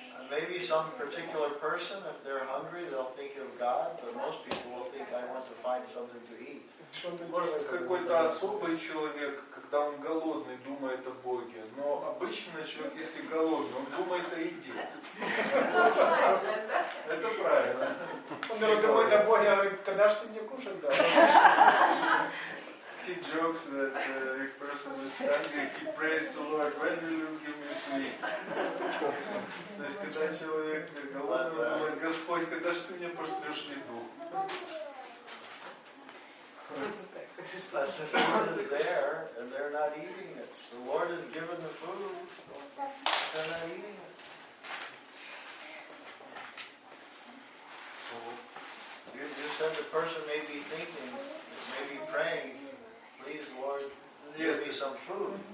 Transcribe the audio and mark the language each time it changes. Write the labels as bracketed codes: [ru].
[en] Maybe some particular person, if they're hungry, they'll think of God, but most people will think I want to find something to eat. [ru] Может, какой-то особый человек, когда он голодный, думает о Боге. Но обычный человек, если голодный, он думает о еде. Это правильно. Он думает о Боге, когда ж ты мне кушать дашь? [en] He jokes that if person is hungry, he prays to Lord, when will you give me to eat? [ru] То есть, когда человек голодный, он думает, Господь, когда ж ты мне пошлёшь еду? [en] But the food is there, and they're not eating it. The Lord has given the food, but they're not eating it. So, you said the person may be thinking, may be praying, please, Lord, give me some food.